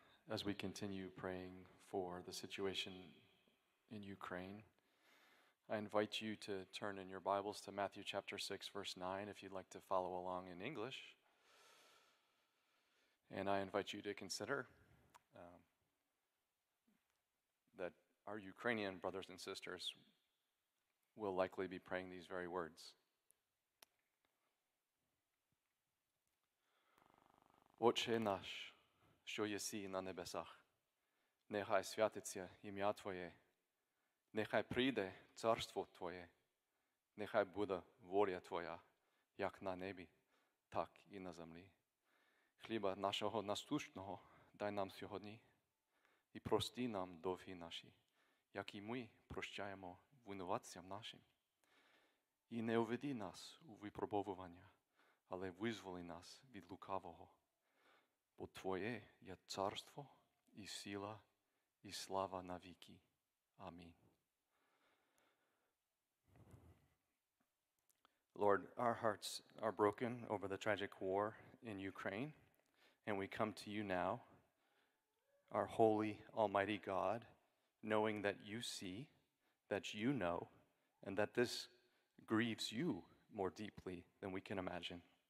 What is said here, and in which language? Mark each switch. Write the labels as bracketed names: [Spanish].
[English] As we continue praying for the situation in Ukraine, I invite you to turn in your Bibles to Matthew chapter 6, verse 9, if you'd like to follow along in English. And I invite you to consider that our Ukrainian brothers and sisters will likely be praying these very words. [Ukrainian] Отче наш, що єсі на небесах, нехай святиться ім'я Твоє, нехай прийде царство Твоє, нехай буде воля Твоя, як на небі, так і на землі. Хліба нашого насущного дай нам сьогодні, I prosti nam dovhi naši, jak i my prощаємо винуватцям нашим. І не уведи нас у випробовування, але визволи нас від лукавого. Бо Твоє є царство і сила і слава навіки. Амінь. [English] Lord, our hearts are broken over the tragic war in Ukraine, and we come to you now, our holy, almighty God, knowing that you see, that you know, and that this grieves you more deeply than we can imagine.